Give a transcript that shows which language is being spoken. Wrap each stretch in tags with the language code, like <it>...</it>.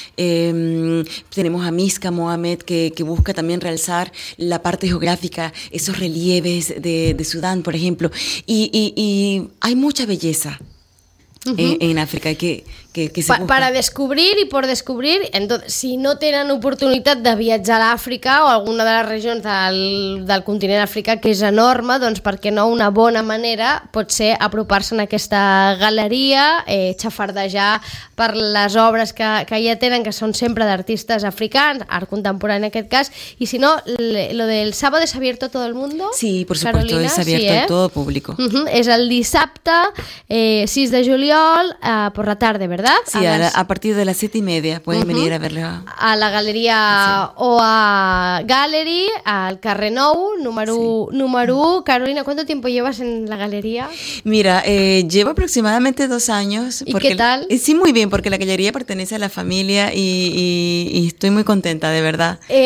<es>Tenemos a Miska Mohamed, que busca también realzar la parte geográfica, esos relieves de Sudán, por ejemplo. Y hay mucha belleza en África que se para descubrir y por descubrir.</es> <ca>Entonces, si no tenen oportunitat de viatjar a Àfrica o a alguna de les regions del continent africà, que és enorme, doncs per què no, una bona manera pot ser apropar-se a aquesta galeria, xafardejar per les obres que ja tenen, que són sempre d'artistes africans, art contemporani en aquest cas.</ca> <es>I si no, lo del sábado es abierto a todo el mundo. Sí, por supuesto, Carolina, es abierto, sí, a todo público.</es> <ca>És el dissabte 6 de juliol</ca> <es>por la tarde, ¿verdad? Sí, a partir de las 7:30 pueden venir a verla. A la galería OA Gallery, al Carrer Nou, número 1. Carolina, ¿cuánto tiempo llevas en la galería? Mira, llevo aproximadamente 2 años. ¿Y qué tal? Sí, muy bien, porque la galería pertenece a la familia y estoy muy contenta, de verdad.</es>